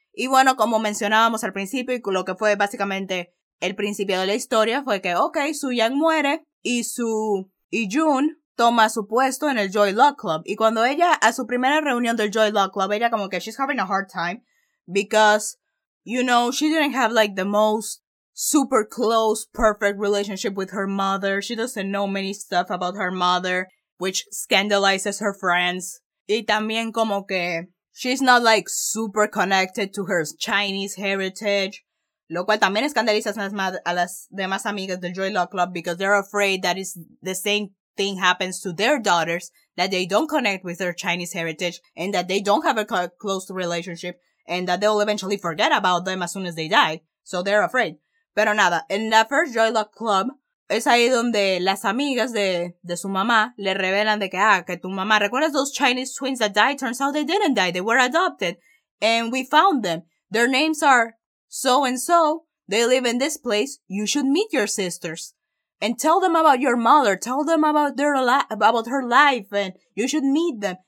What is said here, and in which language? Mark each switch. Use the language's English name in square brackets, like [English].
[Spanish] Y bueno, como mencionábamos al principio, y lo que fue básicamente el principio de la historia, fue que, okay, Su Yang muere, y Jun toma su puesto en el Joy Luck Club. Y cuando ella, a su primera reunión del Joy Luck Club, ella como que, [English] she's having a hard time. Because, you know, she didn't have like the most super close, perfect relationship with her mother. She doesn't know many stuff about her mother, which scandalizes her friends. [Spanish] Y también como que, [English] she's not like super connected to her Chinese heritage. [Spanish] Lo cual también escandaliza a las demás amigas del Joy Luck Club, [English] because they're afraid that it's the same thing happens to their daughters, that they don't connect with their Chinese heritage, and that they don't have a close relationship, and that they'll eventually forget about them as soon as they die. So they're afraid. [Spanish] Pero nada, en la first Joy Luck Club, es ahí donde las amigas de su mamá le revelan de que, que tu mamá, ¿recuerdas [English] those Chinese twins that died? Turns out they didn't die, they were adopted, and we found them. Their names are so and so, they live in this place, you should meet your sisters. And tell them about your mother. Tell them about about her life. And you should meet them.